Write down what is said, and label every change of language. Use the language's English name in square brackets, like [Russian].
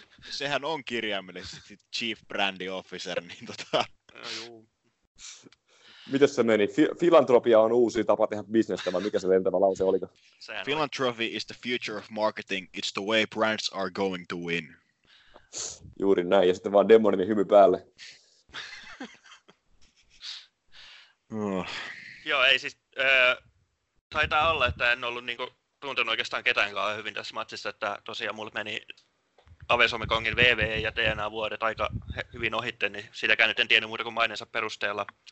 [Finnish] Sehän on kirjaimellisesti Chief Brandy Officer, niin Mites se meni? Filantropia on uusi tapa tehdä bisnestä, vai mikä se lentävä lause oliko? [English] Philanthropy is the future of marketing. It's the way brands are going to win. [Finnish] Juuri näin, ja sitten vaan demonimi hymy päälle. Joo, ei siis... taitaa olla, että en ollut niinku tuntenut oikeastaan ketäänkaan hyvin tässä matsissa, että tosiaan mulle meni Avesomikongin VVE ja DNA-vuodet aika hyvin ohitte, niin sitäkään nyt en tiennyt muuta kuin maineensa perusteella.